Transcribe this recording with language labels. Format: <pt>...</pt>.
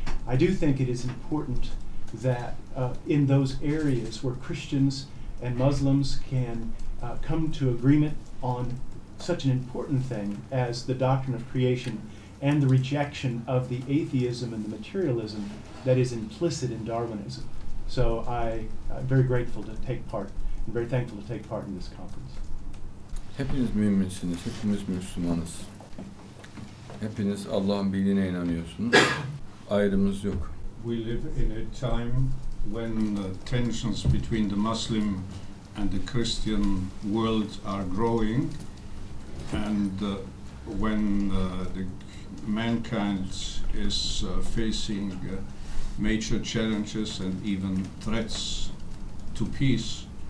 <en>I do think it is important that in those areas where Christians and Muslims can come to agreement on such an important thing as the doctrine of creation and the rejection of the atheism and the materialism that is implicit in Darwinism. So I'm very grateful to take part, and very thankful to take part in this conference.</en> <tr>Hepiniz müminsiniz, hepiniz Müslümanız. Hepiniz Allah'ın birliğine inanıyorsunuz. Ayrımız yok.</tr> <en>We live in a time when the tensions between the Muslim and the Christian world are growing, and when mankind is facing major challenges and even threats to peace.</en>